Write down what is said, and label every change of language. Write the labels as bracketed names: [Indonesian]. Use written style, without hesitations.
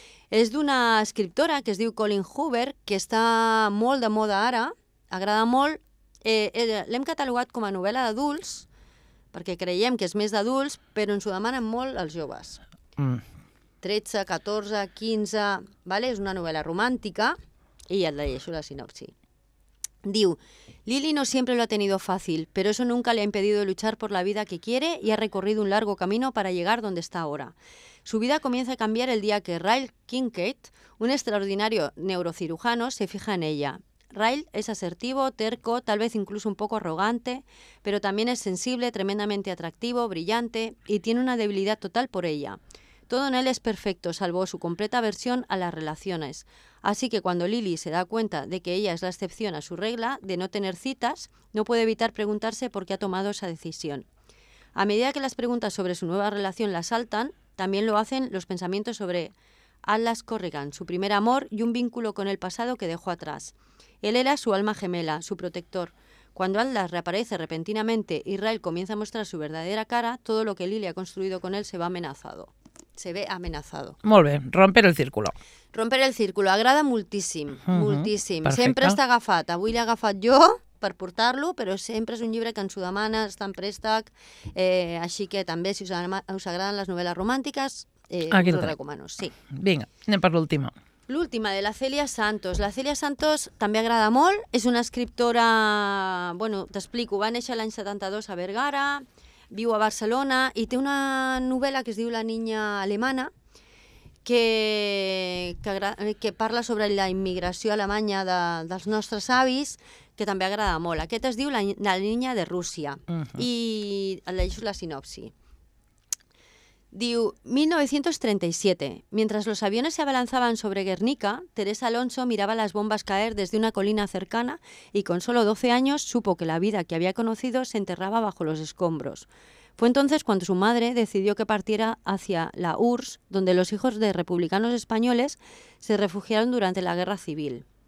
[Catalan] És d'una escriptora que es diu Colleen Hoover, que està molt de moda ara, agrada molt. L'hem catalogat com a novel·la d'adults, perquè creiem que és més d'adults, però ens ho demanen molt els joves. Mm. 13, 14, 15... ¿vale? És una novel·la romàntica, i ja et deixo la sinopsi. Diu, [Spanish] Lily no siempre lo ha tenido fácil, pero eso nunca le ha impedido luchar por la vida que quiere y ha recorrido un largo camino para llegar donde está ahora. Su vida comienza a cambiar el día que Ryle Kincaid, un extraordinario neurocirujano, se fija en ella. Ryle es asertivo, terco, tal vez incluso un poco arrogante, pero también es sensible, tremendamente atractivo, brillante y tiene una debilidad total por ella. Todo en él es perfecto, salvo su completa aversión a las relaciones. Así que cuando Lily se da cuenta de que ella es la excepción a su regla de no tener citas, no puede evitar preguntarse por qué ha tomado esa decisión. A medida que las preguntas sobre su nueva relación la asaltan, también lo hacen los pensamientos sobre Atlas Corrigan, su primer amor y un vínculo con el pasado que dejó atrás. Él era su alma gemela, su protector. Cuando Atlas reaparece repentinamente y Ryle comienza a mostrar su verdadera cara, todo lo que Lily ha construido con él se va amenazado. Se ve amenazado. [Catalan] Molt bé, Romper el círculo. Romper el círculo, agrada moltíssim, moltíssim. Perfecte. Sempre està agafat, avui l'he agafat jo per portar-lo, però sempre és un llibre que ens ho demana, està en préstec, així que també si us agraden les novel·les romàntiques, us ho recomano. Sí. Vinga, anem per l'última. L'última, de la Celia Santos. La Celia Santos també agrada molt, és una escriptora, bueno, t'explico, va néixer l'any 72 a Vergara, viu a Barcelona i té una novel·la que es diu La niña alemana que parla sobre la immigració alemanya dels nostres avis, que també agrada molt. Aquest es diu La niña de Rússia. Uh-huh. I llegeixo la sinopsi. Diu, [Spanish] 1937, mientras los aviones se abalanzaban sobre Guernica, Teresa Alonso miraba las bombas caer desde una colina cercana y con solo 12 años supo que la vida que había conocido se enterraba bajo los escombros. Fue entonces cuando su madre decidió que partiera hacia la URSS, donde los hijos de republicanos españoles se refugiaron durante la Guerra Civil.